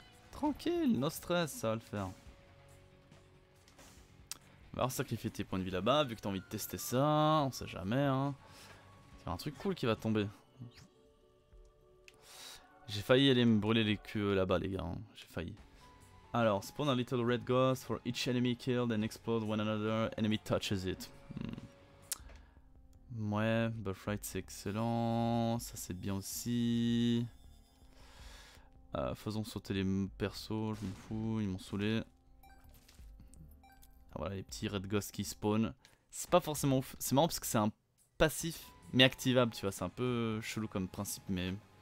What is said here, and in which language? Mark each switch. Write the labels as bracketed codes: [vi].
[fr] Tranquille, no stress, ça va le faire. On va sacrifier tes points de vie là-bas, vu que t'as envie de tester ça. On sait jamais, hein. C'est un truc cool qui va tomber. J'ai failli aller me brûler les queues là-bas, les gars. Hein. J'ai failli. [en] Alors, spawn a little red ghost for each enemy killed and explode when another enemy touches it. Hmm. [fr] Ouais, [en] buff right [fr] c'est excellent, ça c'est bien aussi. Faisons sauter les persos, je m'en fous, ils m'ont saoulé. Ah, voilà les petits red ghosts qui spawnent. C'est pas forcément ouf, c'est marrant parce que c'est un passif mais activable, tu vois, c'est un peu chelou comme principe mais.